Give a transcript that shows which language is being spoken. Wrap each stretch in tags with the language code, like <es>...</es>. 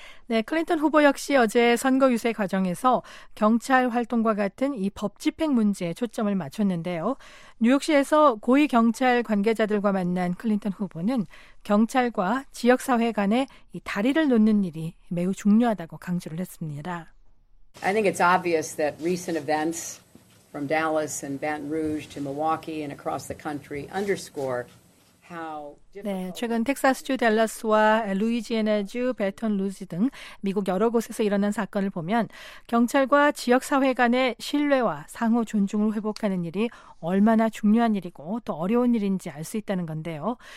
<ko>네, 클린턴 후보 역시 어제 선거 유세 과정에서 경찰 활동과 같은 이 법 집행 문제에 초점을 맞췄는데요. 뉴욕시에서 고위 경찰 관계자들과 만난 클린턴 후보는 경찰과 지역사회 간의 이 다리를 놓는 일이 매우 중요하다고 강조를 했습니다.</ko> <en>I think it's obvious that recent events from Dallas and Baton Rouge to Milwaukee and across the country underscore</en> <ko>네, 최근 텍사스주 댈러스와 루이지애나주 베톤루지 등 미국 여러 곳에서 일어난 사건을 보면 경찰과 지역사회 간의 신뢰와 상호 존중을 회복하는 일이 얼마나 중요한 일이고 또 어려운 일인지 알 수 있다는 건데요.</ko>